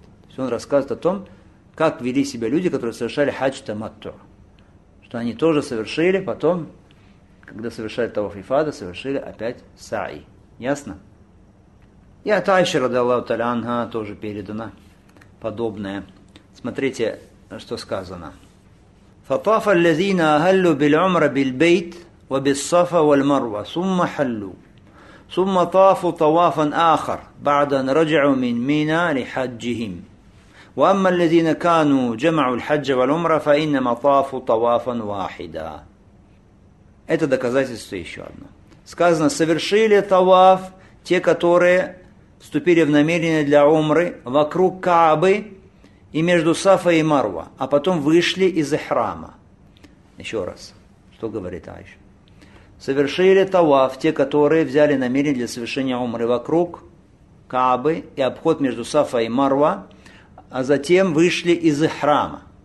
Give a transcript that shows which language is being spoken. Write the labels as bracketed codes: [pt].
[ru] То есть он рассказывает о том, как вели себя люди, которые совершали хадж таматту. Что они тоже совершили потом, когда совершали таваф ифада, совершили опять саи. Ясно? И от Айши радиаллаху та'аля анха тоже передано подобное. Смотрите, что сказано. [ar] «Фатафа аллазина агаллю биль умра биль бейт وبالصفا والمروة ثم حلوا ثم طافوا طوافا آخر بعد أن رجعوا من ميناء لحجهم وأما الذين كانوا جمعوا الحج والعمرة فإنما طافوا طوافا واحدا». [ru] Это доказательство еще одно. Сказано: совершили таваф те, которые вступили в намерение для умры вокруг Каабы и между Сафа и Марва, а потом вышли из храма. Еще раз, что говорит Айша? Совершили таваф те, которые взяли намерение для совершения умры вокруг Каабы и обход между Сафа и Марва, а затем вышли из храма.